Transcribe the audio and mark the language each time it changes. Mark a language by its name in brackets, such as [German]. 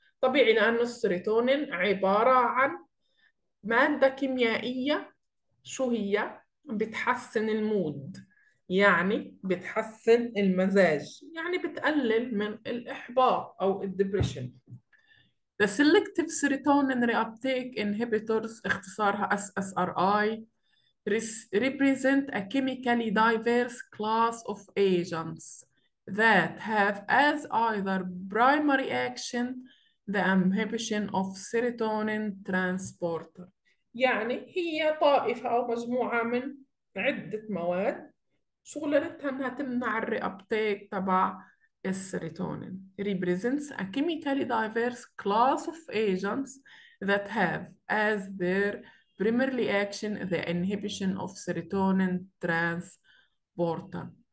[Arabic] طبيعي لأن السيروتونين عبارة عن مادة كيميائية. شو هي؟ بتحسن المود، يعني بتحسن المزاج، يعني بتقلل من الإحباط أو الدبريشن. [English] The Selective Serotonin Reuptake Inhibitors اختصارها SSRI represent a chemically diverse class of agents that have as either primary action the inhibition of serotonin transporter. [Arabic] يعني هي طائفة أو مجموعة من عدة مواد شغلتها أنها تمنع الريأبتيك تبع السيروتونين. [English] Represents a chemically diverse class of agents that have as their primary action the inhibition of serotonin transporter.